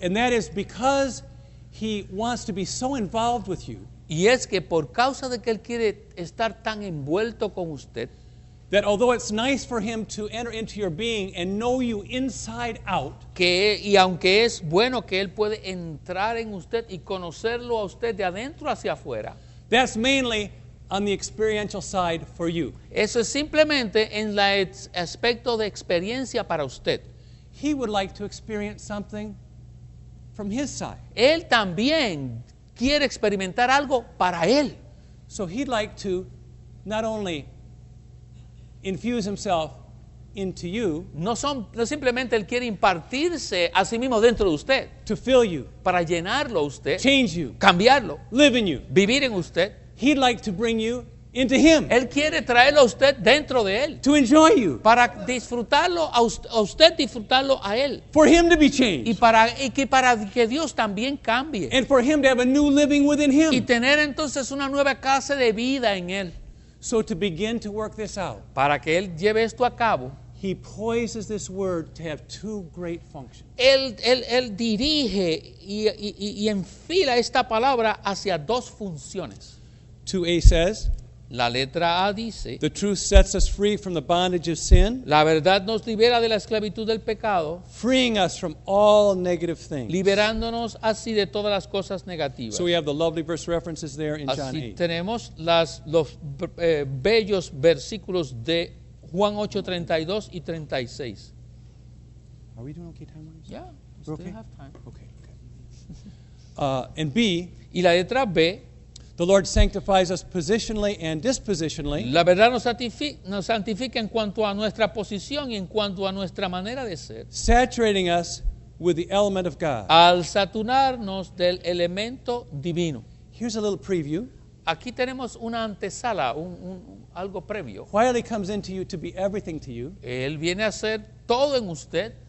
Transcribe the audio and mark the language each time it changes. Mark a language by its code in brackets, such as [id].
[en] And that is because he wants to be so involved with you. [es] Y es que por causa de que él quiere estar tan envuelto con usted. [en] That although it's nice for him to enter into your being and know you inside out. [es] Que, y aunque es bueno que él puede entrar en usted y conocerlo a usted de adentro hacia afuera. [en] That's mainly on the experiential side for you. [es] Eso es simplemente en la aspecto de experiencia para usted. [en] He would like to experience something from his side. [es] Él también quiere experimentar algo para él. [en] So he'd like to not only infuse himself into you. [es] No simplemente él quiere impartirse a sí mismo dentro de usted. [en] To fill you. [es] Para llenarlo usted. [en] Change you. [es] Cambiarlo. [en] Live in you. [es] Vivir en usted. [en] He'd like to bring you into him. [es] Él quiere traerlo a usted dentro de él. [en] To enjoy you. [es] Para disfrutarlo a usted disfrutarlo a él. [en] For him to be changed. [es] Y para que Dios también cambie. [en] And for him to have a new living within him. [es] Y tener entonces una nueva clase de vida en él. [en] So to begin to work this out. [es] Para que él lleve esto a cabo. [en] He poises this word to have two great functions. [es] Él dirige y enfila esta palabra hacia dos funciones. [en] 2A says, [es] la letra A dice, [en] the truth sets us free from the bondage of sin, [es] la verdad nos libera de la esclavitud del pecado, [en] freeing us from all negative things, [es] liberándonos así de todas las cosas negativas. [en] So we have the lovely verse references there in [es] así [en] John 8. [es] Tenemos los bellos versículos de Juan 8, 32 y 36. [en] Are we doing okay time-wise? Yeah, we're still okay? Have time. Okay. And B, [es] y la letra B, [en] the Lord sanctifies us positionally and dispositionally. [es] La verdad nos santifica en cuanto a nuestra posición y en cuanto a nuestra manera de ser. [en] Saturating us with the element of God. [es] Al saturarnos del elemento divino. [en] Here's a little preview. [es] Aquí tenemos una antesala, algo previo. [en] While he comes into you to be everything to you. [es] Él viene a ser todo en usted.